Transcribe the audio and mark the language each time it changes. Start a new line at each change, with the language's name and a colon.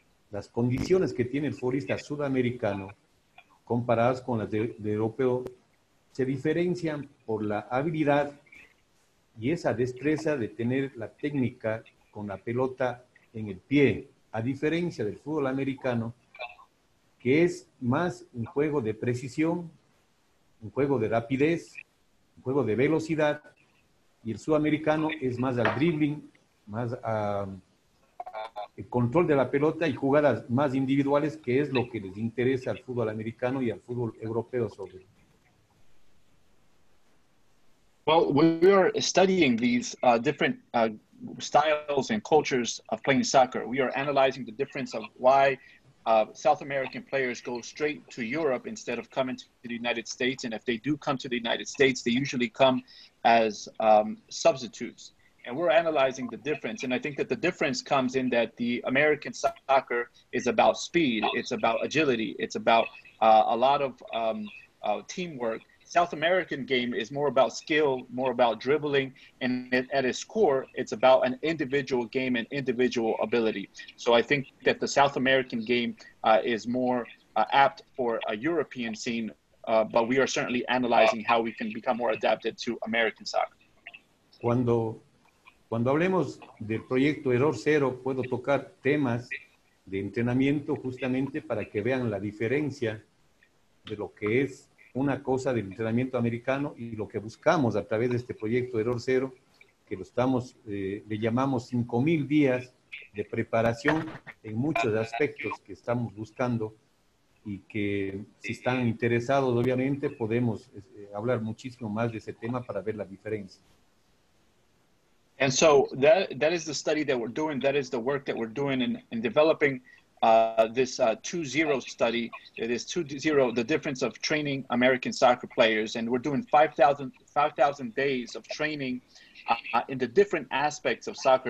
Spanish: Las condiciones que tiene el futbolista sudamericano comparadas con las de europeo se diferencian por la habilidad y esa destreza de tener la técnica con la pelota en el pie, a diferencia del fútbol americano, que es más un juego de precisión, un juego de rapidez, un juego de velocidad. Y el sudamericano es más al dribbling, más a control de la pelota y jugadas más individuales, que es lo que les interesa al fútbol americano y al fútbol europeo sobre.
English: Well, we are studying these different styles and cultures of playing soccer. We are analyzing the difference of why South American players go straight to Europe instead of coming to the United States. And if they do come to the United States, they usually come as substitutes. And we're analyzing the difference. And I think that the difference comes in that the American soccer is about speed. It's about agility. It's about a lot of teamwork. South American game is more about skill, more about dribbling, and at its core, it's about an individual game and individual ability. So I think that the South American game is more apt for a European scene, but we are certainly analyzing how we can become more adapted to American soccer.
Spanish: Cuando hablemos del proyecto Error Cero, puedo tocar temas de entrenamiento justamente para que vean la diferencia de lo que es una cosa del entrenamiento americano y lo que buscamos a través de este proyecto Error Cero, que lo estamos, le llamamos 5,000 días de preparación en muchos aspectos que estamos buscando y que si están interesados, obviamente, podemos hablar muchísimo más de ese tema para ver la diferencia.
English: And so that is the study that we're doing. That is the work that we're doing in developing this 2-0 study. It is 2-0, the difference of training American soccer players. And we're doing 5,000 days of training in the different aspects of soccer.